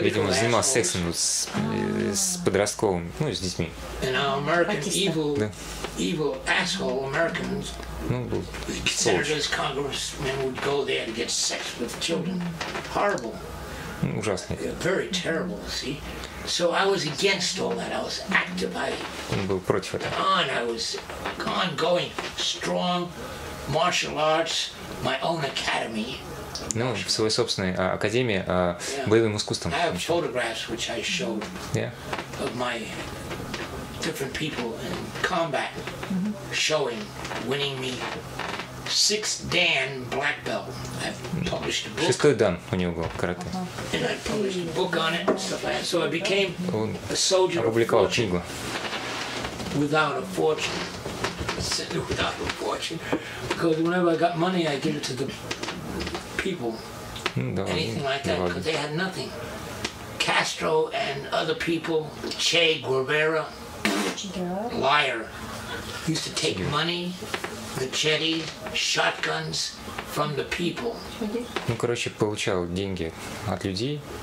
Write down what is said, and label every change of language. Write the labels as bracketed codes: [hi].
[ru] видимо, занимался сексом oh. с подростковым, ну, с детьми. [en] And our American evil asshole Americans. Ну, senators, congressmen would go there to get sex with children. Horrible. [ru] Ну, ужасно. [en] Very terrible, see? So I was against all that. I was active. [ru] Он был против этого. [en] I was ongoing, strong, martial arts, my own academy. [ru] Ну, в своей собственной академии боевым искусством. [en] I have photographs which I showed of my different people in combat showing, winning me sixth Dan black belt. I've published a book. [ru] Шестой Дан у него был каратэ. [en] And I published a book on it and stuff like that. So I became a soldier. [ru] Опубликовал книгу. [en] Without a fortune. Without a fortune. Because whenever I got money, I give it to the people. Anything like that, because they had nothing. Castro and other people, Che Guevara, liar. Used to take money, machete, shotguns from the people. [ru] Ну, короче, получал деньги от людей.